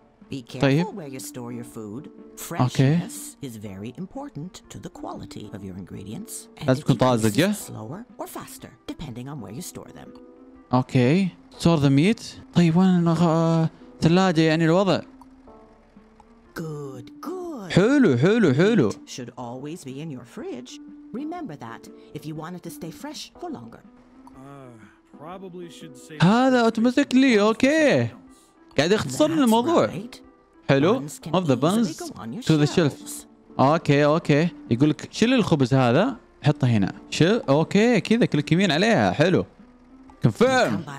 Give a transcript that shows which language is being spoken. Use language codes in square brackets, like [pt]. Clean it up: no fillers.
[en] Be careful [ar] طيب. [en] where you store your food. Freshness okay. is very important to the quality of your ingredients. [ar] لازم تكون طازجة. [en] Slower or faster, depending on where you store them. Okay. Store the meat. [ar] طيب وين الثلاجة يعني الوضع. [en] Good, good. [ar] حلو حلو حلو. [en] Meat should always be in your fridge. Remember that if you want it to stay fresh for longer. Probably should say. [ar] هذا [en] automatically okay. [ar] قاعد يختصر لنا الموضوع حلو [en] of the buns to the shelves. [ar] اوكي اوكي يقول لك شيل الخبز هذا حطه هنا شيل اوكي كذا كليك يمين عليها حلو confirm